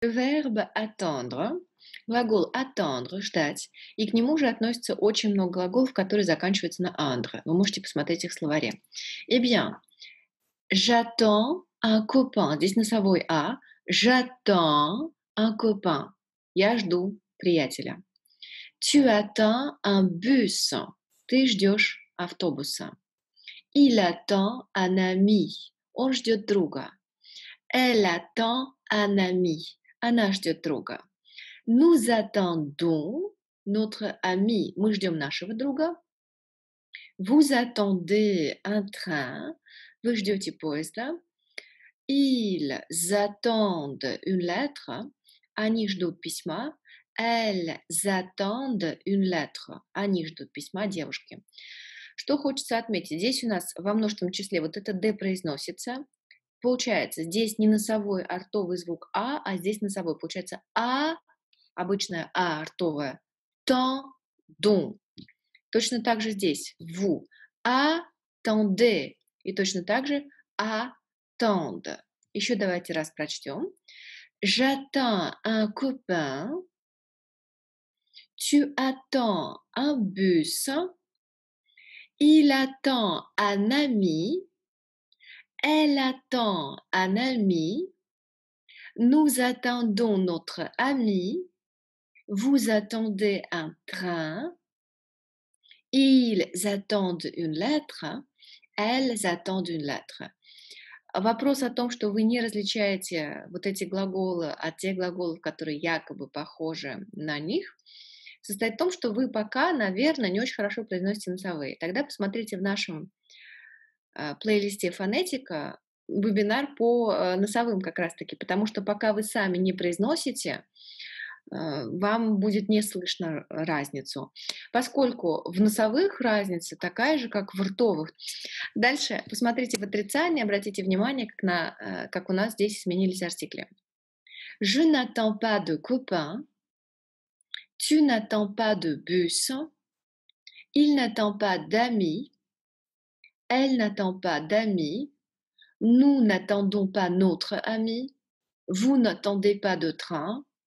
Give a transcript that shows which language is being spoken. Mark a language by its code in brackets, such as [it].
[ru] Verbe attendre, глагол attendre, ждать, и к нему же относится очень много глаголов, которые заканчиваются на andre. Вы можете посмотреть их в словаре. [fr] Eh bien, j'attends un copain. [ru] Здесь носовой а. [fr] J'attends un copain. [ru] Я жду приятеля. [fr] Tu attends un bus. [ru] Ты ждешь автобуса. [fr] Il attend un ami. [ru] Он ждет друга. [fr] Elle attend un ami. [ru] Она ждет друга. [fr] Nous attendons notre ami. [ru] Мы ждем нашего друга. [fr] Vous attendez un train. [ru] Вы ждете поезда. [fr] Ils attendent une lettre. [ru] Они ждут письма. [fr] Elles attendent une lettre. [ru] Они ждут письма девушки. Что хочется отметить? Здесь у нас во множественном числе вот это «д» произносится. Получается, здесь не носовой, а ртовый звук «а», а здесь носовой. Получается «а», обычная «а», ртовая. «Тан дун». Точно так же здесь «ву». «А тан дэ». И точно так же «а тан дэ». Еще давайте раз прочтем. [fr] «J'attan un copain». «Tu attends un bus». «Il attend un ami». Elle attend un ami. Nous attendons notre ami. Vous attendez un train. Ils attendent une lettre. Elles attendent une lettre. [ru] Вопрос о том, что вы не различаете вот эти глаголы от тех глаголов, которые якобы похожи на них, состоит в том, что вы пока, наверное, не очень хорошо произносите носовые. Тогда посмотрите в нашем плейлисте «Фонетика» вебинар по носовым как раз-таки, потому что пока вы сами не произносите, вам будет не слышно разницу, поскольку в носовых разница такая же, как в ртовых. Дальше посмотрите в отрицании, обратите внимание, как у нас здесь сменились артикли. [fr] Je n'attends pas de copain. Tu n'attends pas de bus. Il n'attend pas d'amis. Elle n'attend pas d'amis. Nous n'attendons pas notre ami. Vous n'attendez pas de train.